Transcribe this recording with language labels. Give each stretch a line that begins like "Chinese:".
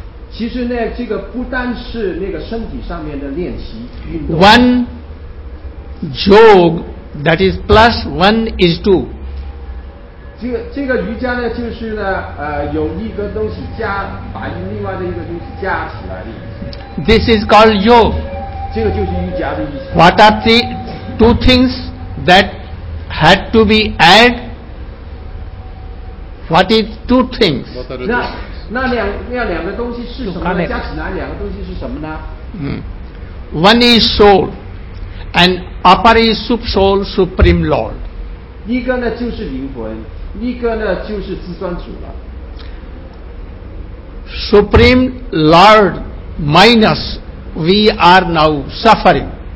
Chinese: 其实呢，这个不单是那个身体上面的练习运动。
English: One yoga that is plus one is two.
Chinese: 这个瑜伽呢，就是呢，有一个东西加，把另外的一个东西加起来的意思。
English: This is called yoga.
Chinese: 这个就是瑜伽的意思。
English: What are the two things that had to be added? What is two things?
Chinese: 那两个东西是什么呢？加起来两个东西是什么呢？
English: One is soul, and upper is soul, supreme lord.
Chinese: 一个呢就是灵魂，一个呢就是至尊主了。
English: Supreme lord minus we are now suffering.